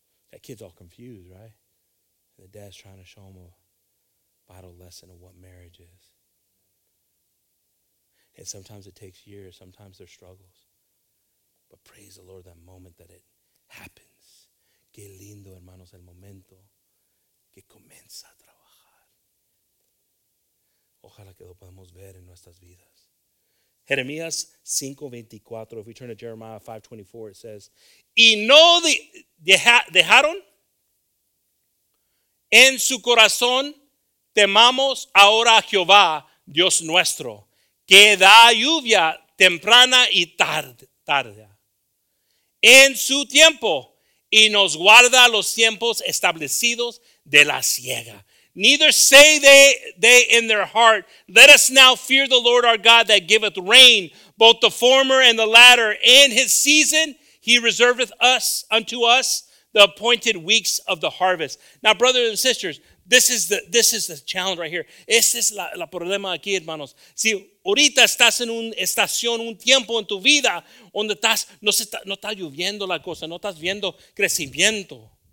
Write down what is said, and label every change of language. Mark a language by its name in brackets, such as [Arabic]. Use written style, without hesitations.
[English] That kid's all confused, right? And the dad's trying to show him a vital lesson of what marriage is. And sometimes it takes years. Sometimes there's struggles. But praise the Lord that moment that it happens. [Spanish] Qué lindo, hermanos, el momento que comienza a trabajar. Ojalá que lo podamos ver en nuestras vidas. Jeremías 5:24. [English] If we turn to Jeremiah 5:24, it says, [Spanish] y no dejaron en su corazón, temamos ahora a Jehová, Dios nuestro, que da lluvia temprana y tarde en su tiempo y nos guarda los tiempos establecidos de la siega. [English] Neither say they in their heart, let us now fear the Lord our God that giveth rain, both the former and the latter. In his season he reserveth us unto us the appointed weeks of the harvest. Now, brothers and sisters, this is the challenge right here. [Spanish] Este es la problema aquí, hermanos. Si ahorita estás en una estación, un tiempo en tu vida donde estás, no está lloviendo la cosa, no estás viendo crecimiento.